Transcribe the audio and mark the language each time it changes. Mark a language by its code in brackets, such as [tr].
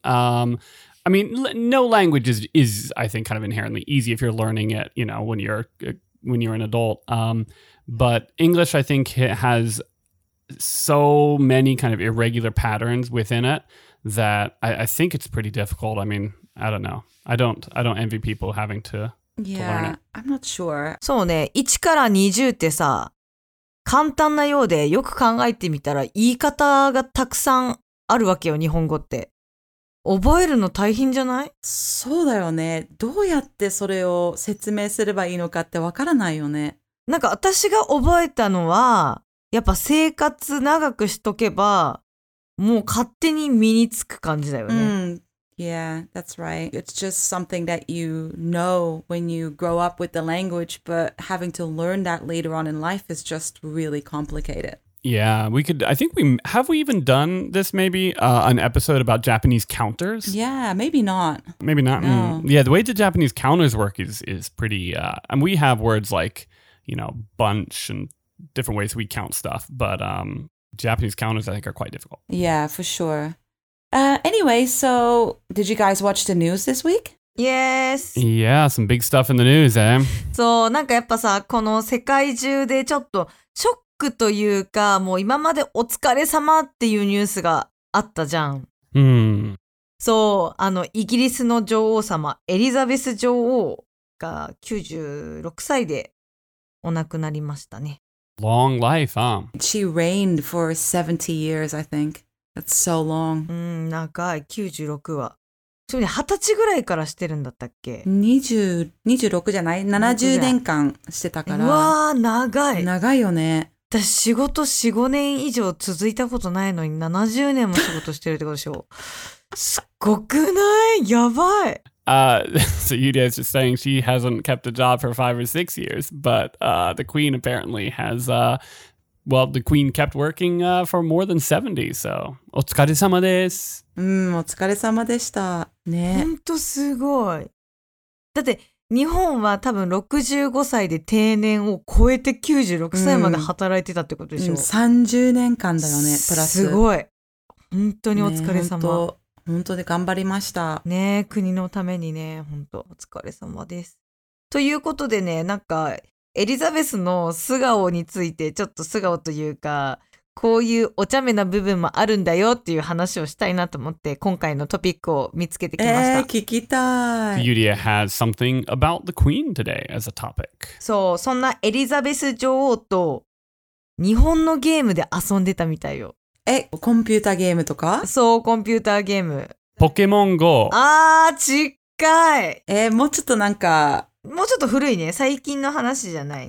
[en] I mean, no language is, I think, kind of inherently easy if you're learning it, you know, when you're an adult. But English, I think, has so many kind of irregular patterns within it that I think it's pretty difficult. I mean, I don't know. I don't envy people having to... Yeah, I'm not sure. [ja] そうね、1から20ってさ、簡単なようでよく考えてみたら言い方がたくさんあるわけよ、日本語って。覚えるの大変じゃない？そうだよね。どうやってそれを説明すればいいのかってわからないよね。なんか私が覚えたのは、やっぱ生活長くしとけば、もう勝手に身につく感じだよね。 [en] うん。Yeah, that's right. It's just something that you know when you grow up with the language, but having to learn that later on in life is just really complicated. Yeah, have we even done this maybe an episode about Japanese counters? Yeah, maybe not. Maybe not. No. Yeah, the way the Japanese counters work is pretty, and we have words like, you know, bunch and different ways we count stuff, but Japanese counters I think are quite difficult. Yeah, for sure. Anyway, so did you guys watch the news this week? Yes. Yeah, some big stuff in the news, eh? [ja] そう、なんかやっぱさ、この世界中でちょっとショックというか、もう今までお疲れ様っていうニュースがあったじゃん。そう、あのイギリスの女王様、エリザベス女王が96歳でお亡くなりましたね。 [en] Long life, huh? She reigned for 70 years, I think. That's so long. [ja] 長い、96は。ちなみに20歳ぐらいからしてるんだったっけ ?26 じゃない ?70 年間してたから。うわー、長い。長いよね。私、仕事4、5年以上続いたことないのに70年も仕事してるってことでしょ。すっごくない?やばい。 [en] So Yudia is just saying she hasn't kept a job for 5 or 6 years, but the Queen apparently has... Well, the queen kept working for more than 70, so... [ja] お疲れ様です。お疲れ様でした。ね。本当すごい。だって、日本は多分65歳で定年を超えて96歳まで働いてたってことでしょ。 30年間だよね、プラス。すごい。本当にお疲れ様。ね、本当で頑張りました。ね、国のためにね、本当お疲れ様です。ということでね、なんか、エリザベスの素顔についてちょっと素顔というかこういうお茶目な部分もあるんだよっていう話をしたいなと思って今回のトピックを見つけてきました。聞きたい。 [en] Yudia has something about the Queen today as a topic. [ja] そう、そんなエリザベス女王と日本のゲームで遊んでたみたいよ。コンピューターゲームとか？そう、コンピューターゲーム。ポケモン GO。あー、近い。もうちょっとなんかもうちょっと古いね。最近の話じゃないね。